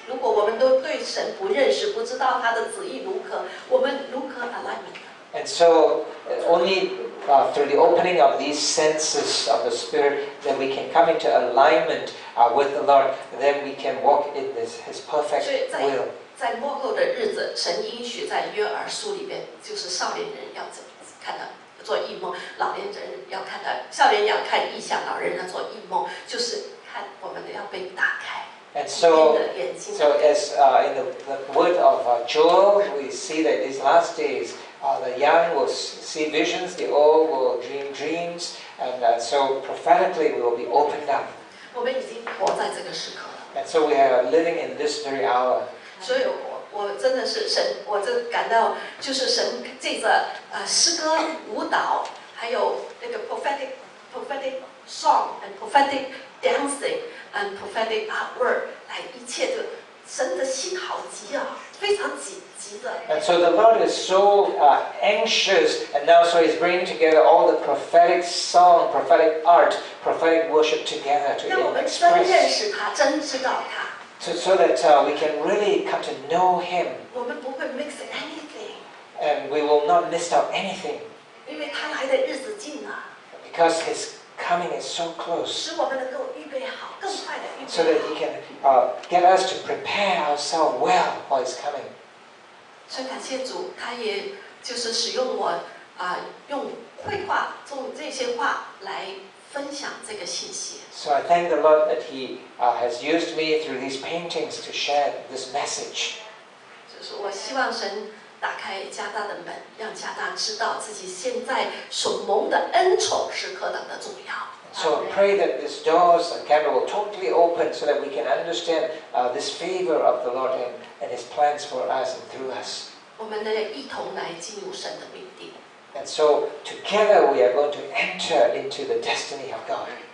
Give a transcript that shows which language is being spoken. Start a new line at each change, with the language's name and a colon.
Chinese: 如果我们都对神不认识，不知道他的旨意如何，我们如何 align？
English: And so, only through the opening of these senses of the spirit, then we can come into alignment with the Lord. Then we can walk in this His perfect will.
Chinese: 在末后的日子，神应许在约珥书里边，就是少年人要看到。做异梦，老年人要看到，少年要看异象，老人要做异梦，就是看我们的要被打开。
English: And so, as in the word of Joel, we see that these last days, the young will see visions, the old will dream dreams, and so prophetically we will be opened up.
Chinese: 我们已经活在这个时刻了。
English: And so we are living in this very hour.
Chinese: 所以我真的是神，我就感到就是神借着诗歌、舞蹈，还有那个
English: prophetic song and prophetic dancing and prophetic artwork，
Chinese: 来一切的神的心好急啊，非常急的。
English: And so the Lord is so anxious, and now so He's bringing together all the prophetic song, prophetic art, prophetic worship together to express.
Chinese: 让我们真认识他，真知道他。
English: So that we can really come to know Him. And we will not miss out anything. Because His coming is so close. So that He can get us to prepare ourselves well for His coming.
Chinese: 所以感谢主，他也就是使用我啊、用绘画做这些画来分享这个信息。
English: So I thank the Lord that He has used me through these paintings to share this message.
Chinese: 就是我希望神打开加大的门，让加大知道自己现在所蒙的恩宠是何等的重要。
English: So I pray that these doors and camera will totally open so that we can understand this favor of the Lord and His plans for us and through us.
Chinese: 我们呢一同来进入神的命定。
English: And so together we are going to enter into the destiny of God.